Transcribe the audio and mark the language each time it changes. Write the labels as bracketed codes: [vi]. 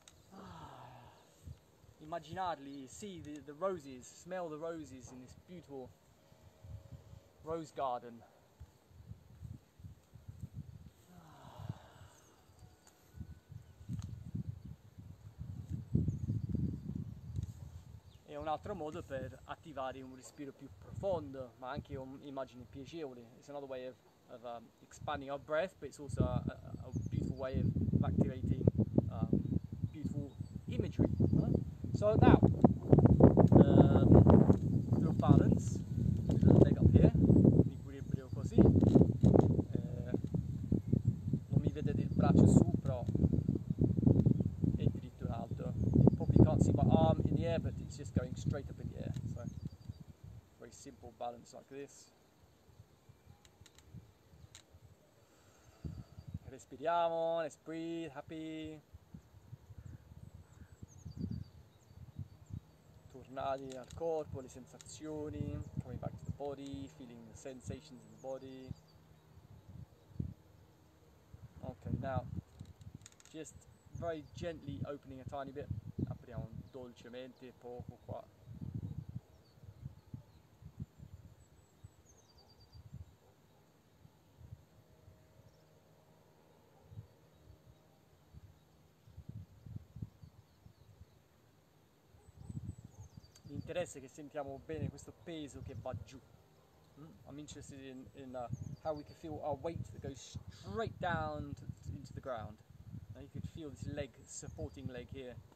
[en] Ah, [it] immaginarli, [en] see the roses, smell the roses in this beautiful rose garden. [it] È un altro modo per attivare un respiro più profondo, ma anche un'immagine piacevole. [en] It's another way of expanding our breath, but it's also a beautiful way of activating beautiful imagery. So now, through balance, leg up here, [it] equilibrio così. Non mi vedete il braccio su, però è dritto in alto. [en] Can't see my arm in the air, but it's just going straight up in the air. So, very simple balance like this. [it] respiriamo, [en] let's breathe, happy. [it] Tornati al corpo, le sensazioni, [en] coming back to the body, feeling the sensations in the body. Okay, now, just very gently opening a tiny bit. [it] Apriamo dolcemente, poco qua. Interesse che sentiamo bene questo peso che va giù. [en] I'm interested in how we can feel our weight that goes straight down into the ground. Now you can feel this leg, supporting leg here.